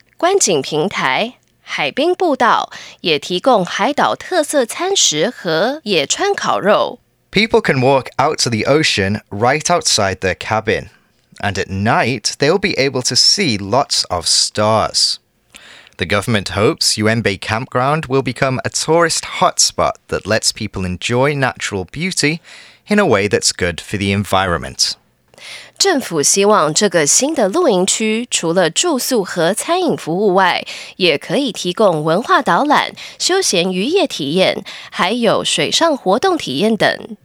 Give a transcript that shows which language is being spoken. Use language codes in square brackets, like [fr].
[zh] 观景平台、海滨步道也提供海岛特色餐食和野川烤肉。 [en] People can walk out to the ocean right outside their cabin. And at night, they'll be able to see lots of stars. The government hopes Yuanbei Campground will become a tourist hotspot that lets people enjoy natural beauty in a way that's good for the environment. [zh] 政府希望这个新的露营区除了住宿和餐饮服务外，也可以提供文化导览、休闲渔业体验，还有水上活动体验等。